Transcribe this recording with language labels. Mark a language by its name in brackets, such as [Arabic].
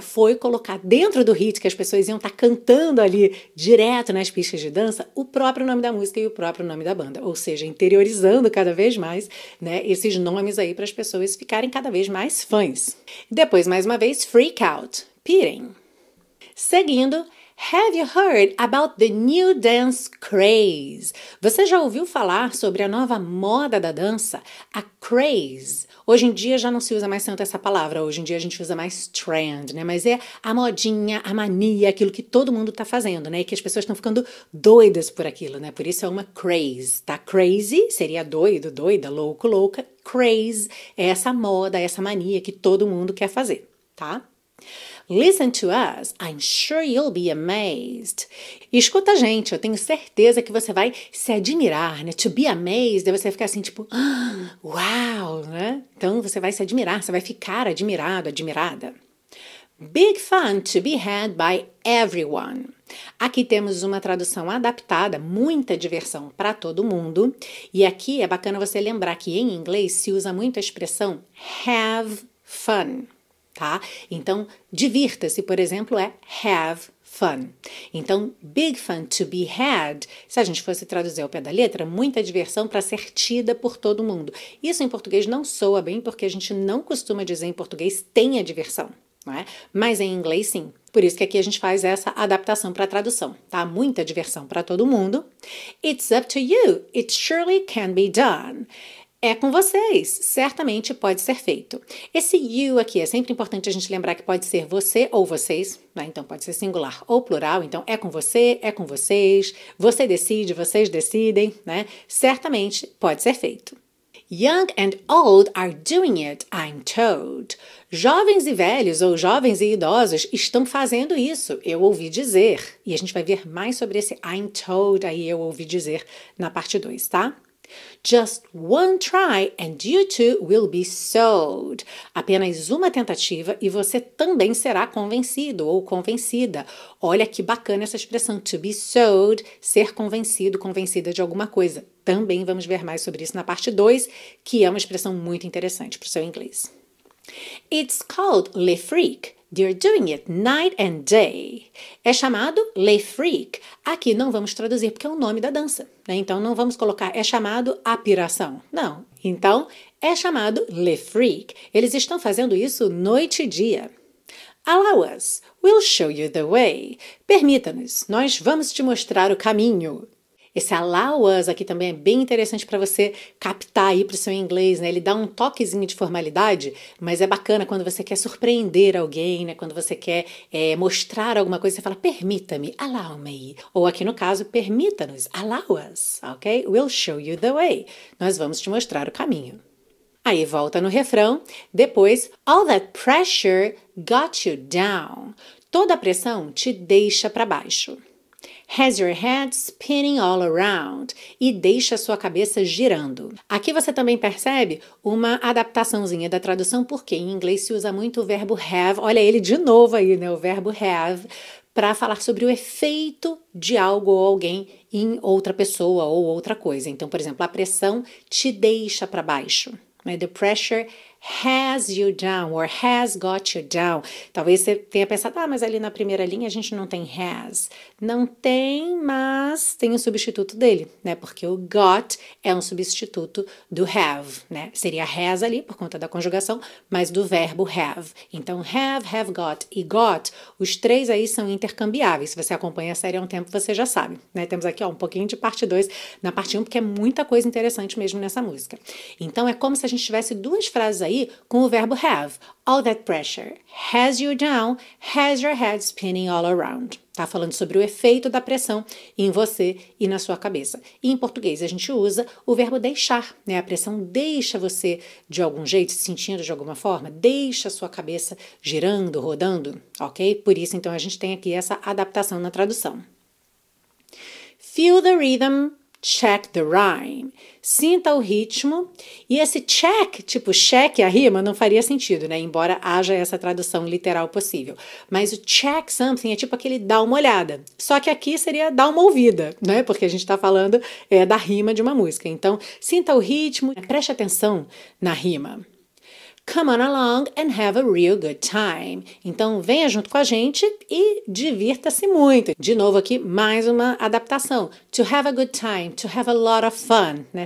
[Portuguese] Foi colocar dentro do hit que as pessoas iam estar cantando ali direto nas pistas de dança o próprio nome da música e o próprio nome da banda. Ou seja, interiorizando cada vez mais, né, esses nomes aí para as pessoas ficarem cada vez mais fãs. Depois, mais uma vez, [English] freak out, [Portuguese] pirem. Seguindo. [English] Have you heard about the new dance craze? [Portuguese] Você já ouviu falar sobre a nova moda da dança, a craze? Hoje em dia já não se usa mais tanto essa palavra, hoje em dia a gente usa mais trend, né? Mas é a modinha, a mania, aquilo que todo mundo tá fazendo, né? E que as pessoas estão ficando doidas por aquilo, né? Por isso é uma craze, tá? Crazy seria doido, doida, louco, louca. Craze é essa moda, essa mania que todo mundo quer fazer, tá? [English] Listen to us, I'm sure you'll be amazed. [Portuguese] Escuta a gente, eu tenho certeza que você vai se admirar, né? [English] To be amazed, [Portuguese] você ficar assim, tipo, ah, uau, né? Então você vai se admirar, você vai ficar admirado, admirada. [English] Big fun to be had by everyone. [Portuguese] Aqui temos uma tradução adaptada, muita diversão para todo mundo. E aqui é bacana você lembrar que em inglês se usa muito a expressão [English] have fun. [Portuguese] Tá? Então, divirta-se, por exemplo, é [English] have fun. [Portuguese] Então, [English] big fun to be had, [Portuguese] se a gente fosse traduzir ao pé da letra, muita diversão para ser tida por todo mundo. Isso em português não soa bem, porque a gente não costuma dizer em português tenha diversão, não é? Mas em inglês, sim. Por isso que aqui a gente faz essa adaptação para a tradução, tá? Muita diversão para todo mundo. [English] It's up to you. It surely can be done. [Portuguese] É com vocês, certamente pode ser feito. Esse you aqui é sempre importante a gente lembrar que pode ser você ou vocês, né? Então pode ser singular ou plural. Então é com vocês, você decide, vocês decidem, né? Certamente pode ser feito. [English] Young and old are doing it, I'm told. [Portuguese] Jovens e velhos, ou jovens e idosos, estão fazendo isso, eu ouvi dizer. E a gente vai ver mais sobre esse [English] I'm told [Portuguese] aí, eu ouvi dizer, na parte 2, tá? Just one try and you too will be sold. Apenas uma tentativa e você também será convencido ou convencida. Olha que bacana essa expressão, [English] to be sold, [Portuguese] ser convencido, convencida de alguma coisa. Também vamos ver mais sobre isso na parte 2, que é uma expressão muito interessante para o seu inglês. [English] It's called Le Freak. They're doing it night and day. [Portuguese] É chamado Le Freak. Aqui não vamos traduzir porque é o nome da dança, né? Então não vamos colocar é chamado a piração. Não. Então é chamado Le Freak. Eles estão fazendo isso noite e dia. [English] Allow us. We'll show you the way. [Portuguese] Permita-nos. Nós vamos te mostrar o caminho. Esse [English] allow us [Portuguese] aqui também é bem interessante para você captar aí para o seu inglês, né? Ele dá um toquezinho de formalidade, mas é bacana quando você quer surpreender alguém, né? Quando você quer mostrar alguma coisa, você fala, permita-me, [English] allow me. [Portuguese] Ou aqui no caso, permita-nos, [English] allow us, [Portuguese] ok? [English] We'll show you the way. [Portuguese] Nós vamos te mostrar o caminho. Aí volta no refrão, depois, [English] all that pressure got you down. [Portuguese] Toda a pressão te deixa para baixo. [English] Has your head spinning all around. [Portuguese] E deixa a sua cabeça girando. Aqui você também percebe uma adaptaçãozinha da tradução, porque em inglês se usa muito o verbo have. Olha ele de novo aí, né? O verbo have, para falar sobre o efeito de algo ou alguém em outra pessoa ou outra coisa. Então, por exemplo, a pressão te deixa para baixo. [English] The pressure has you down, or has got you down. [Portuguese] Talvez você tenha pensado, ah, mas ali na primeira linha a gente não tem has. Não tem, mas tem o substituto dele, né? Porque o got é um substituto do have, né? Seria has ali, por conta da conjugação, mas do verbo have. Então, have got e got, os três aí são intercambiáveis. Se você acompanha a série há um tempo, você já sabe, né? Temos aqui, ó, um pouquinho de parte 2 na parte 1, porque é muita coisa interessante mesmo nessa música. Então, é como se a gente tivesse duas frases aí com o verbo have. [English] All that pressure has you down, has your head spinning all around. [Portuguese] Tá falando sobre o efeito da pressão em você e na sua cabeça. E em português a gente usa o verbo deixar, né? A pressão deixa você de algum jeito, se sentindo de alguma forma, deixa a sua cabeça girando, rodando, ok? Por isso então a gente tem aqui essa adaptação na tradução. [English] Feel the rhythm, check the rhyme. [Portuguese] Sinta o ritmo. E esse check, tipo, check a rima, não faria sentido, né? Embora haja essa tradução literal possível. Mas o [English] check something [Portuguese] é tipo aquele dá uma olhada. Só que aqui seria dá uma ouvida, né? Porque a gente tá falando da rima de uma música. Então, sinta o ritmo, preste atenção na rima. [English] Come on along and have a real good time. [Portuguese] Então, venha junto com a gente e divirta-se muito. De novo aqui, mais uma adaptação. [English] To have a good time, to have a lot of fun, [Portuguese] né?